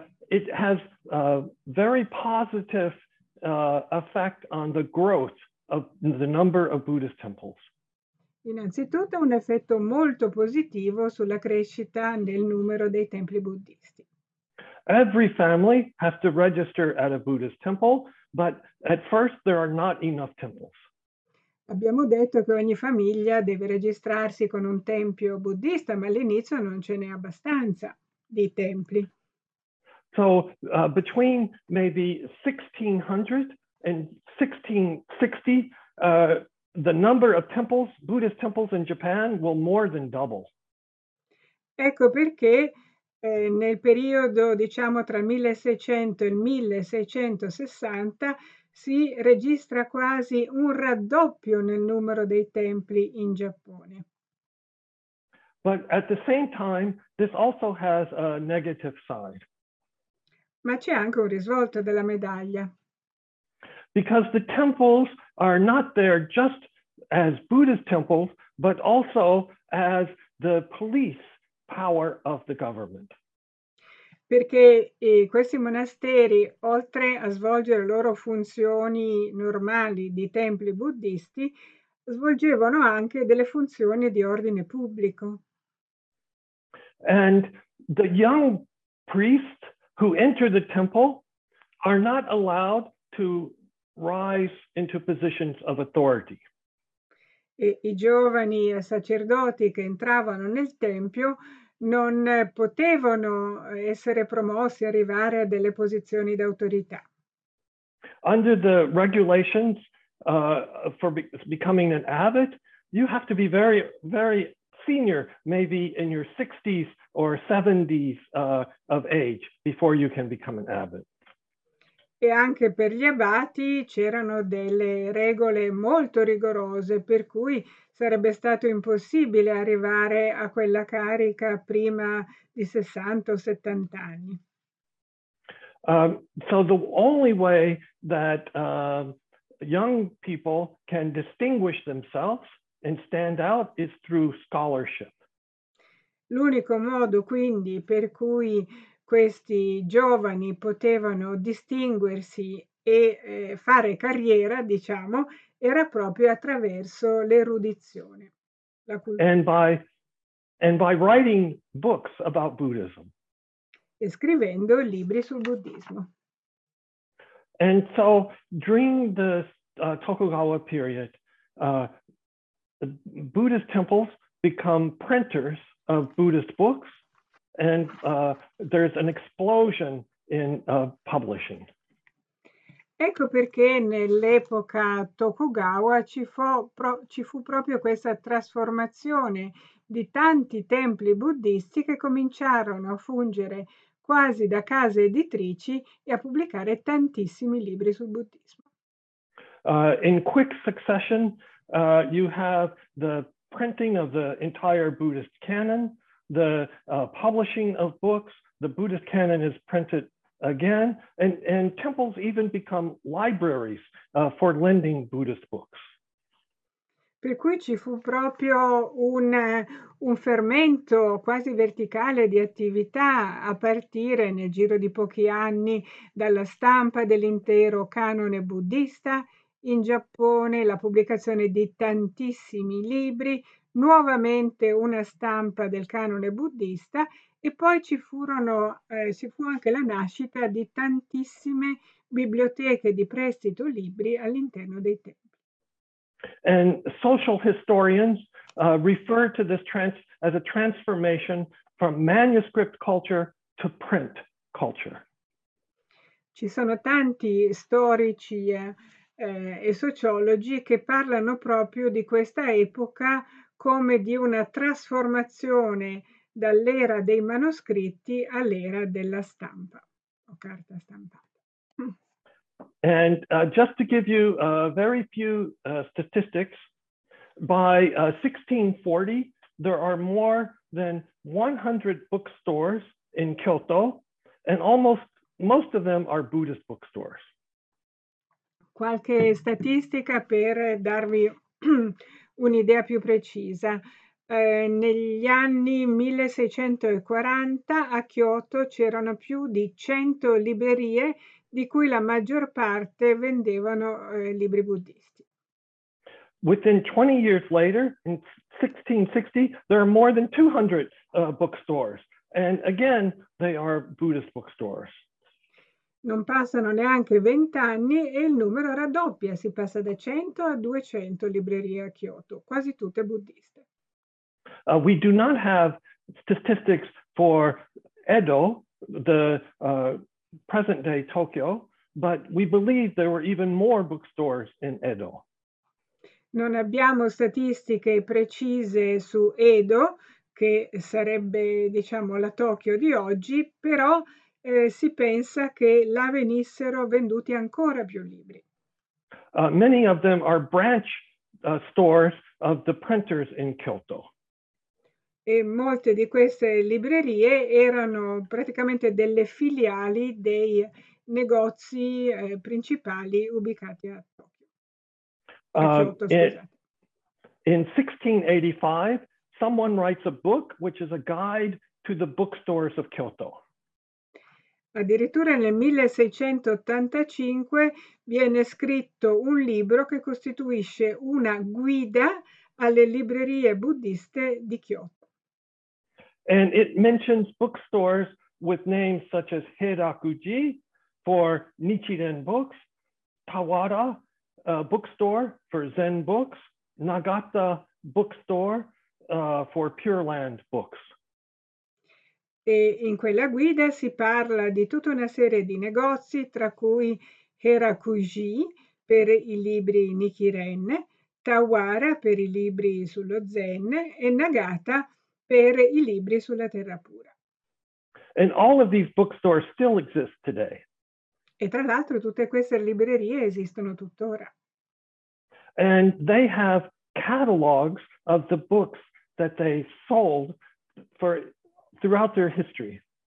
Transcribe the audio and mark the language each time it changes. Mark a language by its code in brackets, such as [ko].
[en] It has a very positive effect on the growth of the number of Buddhist temples. [it] Innanzitutto un effetto molto positivo sulla crescita del numero dei templi buddhisti. [en] Every family has to register at a Buddhist temple, but at first there are not enough temples. [it] Abbiamo detto che ogni famiglia deve registrarsi con un tempio buddista, ma all'inizio non ce n'è abbastanza di templi. [en] So between maybe 1600 and 1660, the number of temples, Buddhist temples in Japan, will more than double. [it] Ecco perché nel periodo, diciamo, tra 1600 e 1660, si registra quasi un raddoppio nel numero dei templi in Giappone. [en] But at the same time, this also has a negative side. [it] Ma c'è anche un risvolto della medaglia. [en] Because the temples are not there just as Buddhist temples, but also as the police power of the government. [it] Perché questi monasteri, oltre a svolgere le loro funzioni normali di templi buddhisti, svolgevano anche delle funzioni di ordine pubblico. [en] And the young priests who enter the temple are not allowed to rise into positions of authority. [it] I giovani sacerdoti che entravano nel tempio non potevano essere promossi, arrivare a delle posizioni d'autorità. [en] Under the regulations for becoming an abbot, you have to be very, very senior, maybe in your 60s or 70s of age before you can become an abbot. [it] E anche per gli abati c'erano delle regole molto rigorose, per cui sarebbe stato impossibile arrivare a quella carica prima di 60 o 70 anni. [en] So the only way that young people can distinguish themselves and stand out is through scholarship. [it] L'unico modo quindi per cui questi giovani potevano distinguersi e fare carriera, diciamo, era proprio attraverso l'erudizione, la cultura. [en] And by writing books about Buddhism. [it] E scrivendo libri sul buddismo. [en] And so during the Tokugawa period, Buddhist temples become printers of Buddhist books. And there's an explosion in publishing. [it] Ecco perché nell'epoca Tokugawa ci fu proprio questa trasformazione di tanti templi buddhisti che cominciarono a fungere quasi da case editrici e a pubblicare tantissimi libri sul buddismo. [en] In quick succession, you have the printing of the entire Buddhist canon, the publishing of books, the Buddhist canon is printed again, and temples even become libraries for lending Buddhist books. [it] Per cui ci fu proprio un fermento quasi verticale di attività a partire nel giro di pochi anni dalla stampa dell'intero canone buddista in Giappone, la pubblicazione di tantissimi libri, nuovamente una stampa del canone buddista e poi ci fu anche la nascita di tantissime biblioteche di prestito libri all'interno dei templi. [en] And social historians refer to this as a transformation from manuscript culture to print culture. [it] Ci sono tanti storici e sociologi che parlano proprio di questa epoca come di una trasformazione dall'era dei manoscritti all'era della stampa o carta stampata. [en] And just to give you very few statistics, by 1640, there are more than 100 bookstores in Kyoto, and almost most of them are Buddhist bookstores. [it] Qualche statistica per darvi un'idea più precisa. Negli anni 1640 a Kyoto c'erano più di 100 librerie, di cui la maggior parte vendevano libri buddisti. [en] Within 20 years later, in 1660, there are more than 200 bookstores. And again, they are Buddhist bookstores. [it] Non passano neanche 20 anni e il numero raddoppia, si passa da 100 a 200 librerie a Kyoto, quasi tutte buddiste. [en] We do not have statistics for Edo, the present-day Tokyo, but we believe there were even more bookstores in Edo. [it] Non abbiamo statistiche precise su Edo, che sarebbe, diciamo, la Tokyo di oggi, però si pensa che là venissero venduti ancora più libri. [en] Many of them are branch stores of the printers in Kyoto. [it] E molte di queste librerie erano praticamente delle filiali dei negozi principali ubicati a Tokyo. A Kyoto, scusate. [en] In 1685, someone writes a book which is a guide to the bookstores of Kyoto. [it] Addirittura nel 1685 viene scritto un libro che costituisce una guida alle librerie buddiste di Kyoto. [en] And it mentions bookstores with names such as Heiraku-ji for Nichiren books, Tawara bookstore for Zen books, Nagata bookstore for Pure Land books. [it] E in quella guida si parla di tutta una serie di negozi, tra cui Heiraku-ji per i libri Nichiren, Tawara per i libri sullo Zen e Nagata per i libri sulla terra pura. [en] And all of these bookstores still exist today. [it] E tra l'altro tutte queste librerie esistono tuttora. [en] And they have catalogs of the books that they sold for throughout their history.